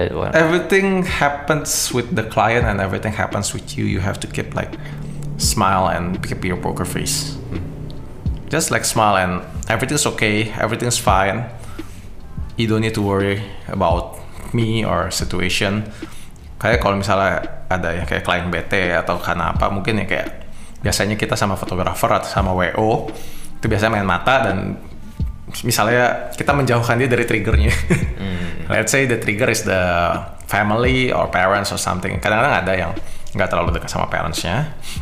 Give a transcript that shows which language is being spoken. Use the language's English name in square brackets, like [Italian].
[English] Everything happens with the client and everything happens with you. You have to keep like smile and keep your poker face. Just like smile and everything's okay, everything's fine. You don't need to worry about me or situation. [Indonesian] Kayak kalau misalnya ada ya kayak client bete atau karena apa, mungkin ya kayak biasanya kita sama fotografer atau sama WO itu biasanya main mata, dan misalnya kita menjauhkan dia dari triggernya. [English] Let's say the trigger is the family or parents or something. [Indonesian] Kadang-kadang ada yang gak terlalu dekat sama parents-nya.